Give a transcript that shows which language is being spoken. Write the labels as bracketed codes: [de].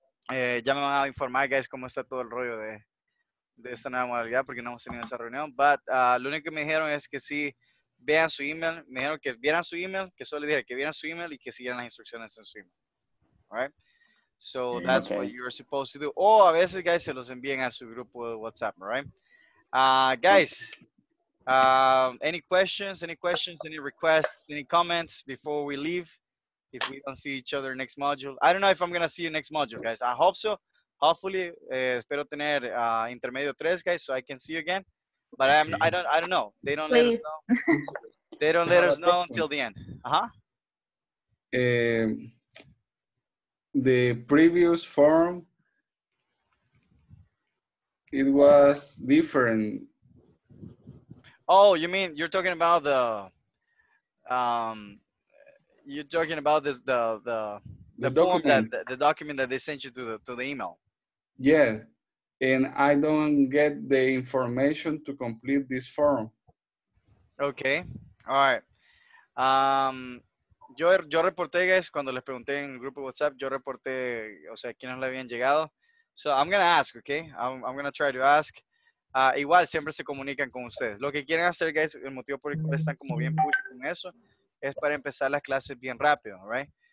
[es] Ya me van a informar, guys, cómo está todo el rollo de... de esta nueva modalidad porque no hemos tenido esa reunión. But lo único que me dijeron es que si vean su email, me dijeron que vieran su email, que solo le dije que vieran su email y que siguieran las instrucciones en su email. [en] Alright? So yeah, that's okay. What you're supposed to do. [es] O a veces, guys, se los envíen a su grupo de WhatsApp. [en] Alright? Guys, any questions, any requests, any comments before we leave? If we don't see each other next module. I don't know if I'm going to see you next module, guys. I hope so. Hopefully, [es] espero tener intermedio 3, [en] guys, so I can see you again. But I don't know. They don't please. Let us know. They don't let us know until the end. Uh-huh. The previous form, it was different. Oh, you mean you're talking about the document. Form that the document that they sent you to the email. Yeah, and I don't get the information to complete this form. Okay, all right. [es] Yo reporté, guys, cuando les pregunté en el grupo WhatsApp, yo reporté, o sea, quiénes le habían llegado. [en] So I'm going to ask, okay? I'm going to try to ask. [es] Igual, siempre se comunican con ustedes. Lo que quieren hacer, guys, el motivo por el cual están como bien push con eso, es para empezar las clases bien rápido, right?